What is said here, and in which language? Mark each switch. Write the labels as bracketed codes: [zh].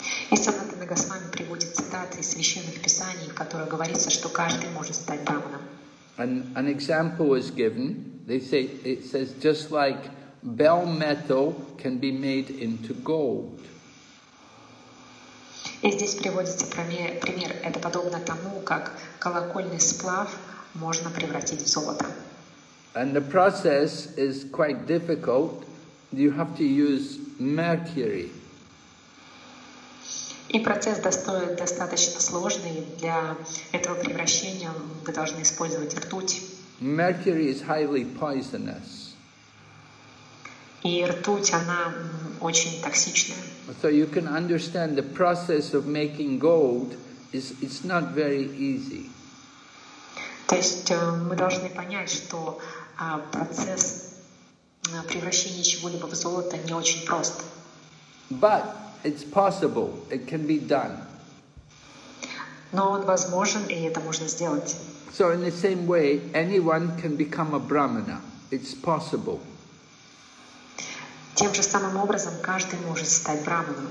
[ru] И Санатана Госвами приводит цитаты из священных писаний, в которых говорится, что каждый может стать браманом. [en] An example is given. They say it says just like bell metal can be made into gold. [ru] И здесь приводится пример. Это подобно тому, как колокольный сплав можно превратить в золото. [en] And the process is quite difficult. You have to use mercury. [ru] И процесс достаточно сложный. Для этого превращения вы должны использовать ртуть. [en] Mercury is highly poisonous. [ru] И ртуть, она очень токсичная. [en] So you can understand the process of making gold is it's not very easy. [ru] То есть мы должны понять, что процесс превращения чего-либо в золото не очень прост. [en] But it's possible, it can be done. [ru] Но он возможен, и это можно сделать. [en] So in the same way, anyone can become a brahmana. It's possible. [ru] Тем же самым образом, каждый может стать брахманом.